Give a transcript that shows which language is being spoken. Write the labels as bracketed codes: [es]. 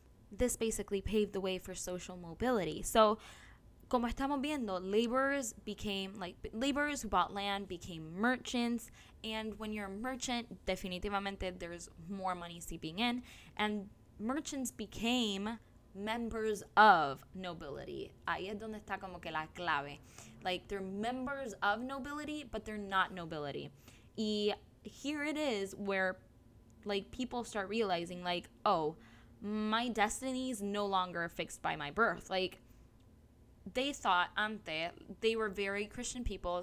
[en] This basically paved the way for social mobility. So, [es] como estamos viendo, [en] laborers became, like, laborers who bought land became merchants. And when you're a merchant, definitivamente, there's more money seeping in. And merchants became members of nobility. [es] Ahí es donde está como que la clave. [en] Like, they're members of nobility, but they're not nobility. Y here it is where, like, people start realizing, like, oh, my destiny is no longer fixed by my birth. Like, they thought, they were very Christian people.